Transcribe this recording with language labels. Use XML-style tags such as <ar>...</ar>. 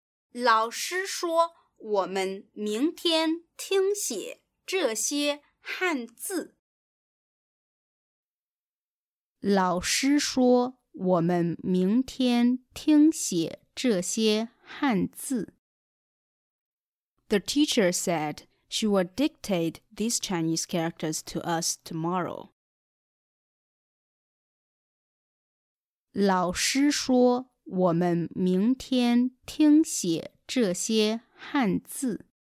<zh>老师说我们明天听写这些汉字。老师说我们明天听写这些汉字。</zh> <en>The teacher said she would dictate these Chinese characters to us tomorrow.</en> <zh>老师说我们明天听写这些汉字。</zh>